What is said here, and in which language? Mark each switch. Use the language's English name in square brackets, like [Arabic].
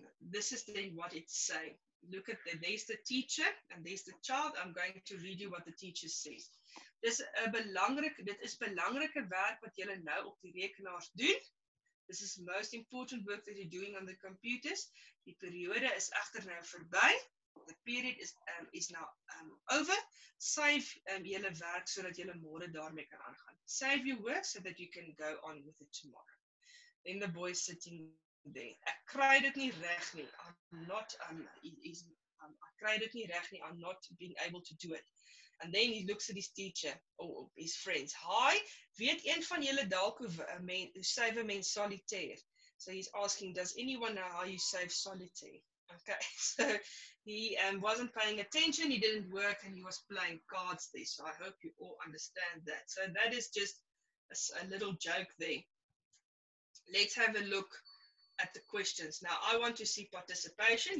[English] This is then what it's saying. Look at the, there's the teacher and there's the child. I'm going to read you what the teacher says. [Afrikaans] Dit is belangrike werk wat julle nou op die rekenaars doen. [English] This is the most important work that you're doing on the computers. [Afrikaans] Die periode is echter nou voorbij. [English] The period is now over. [Afrikaans] Save julle werk so dat julle môre daarmee kan aangaan. [English] Save your work so that you can go on with it tomorrow. Then the boy sitting there. [Afrikaans] Ek kry dit nie reg nie. [English] I'm not being able to do it. And then he looks at his teacher or his friends. [Afrikaans] Hi, weet een van julle dalk hoe save a mens solitaire? [English] So he's asking, does anyone know how you save solitaire? Okay, so he wasn't paying attention, he didn't work, and he was playing cards there. So I hope you all understand that. So that is just a little joke there. Let's have a look at the questions. Now, I want to see participation.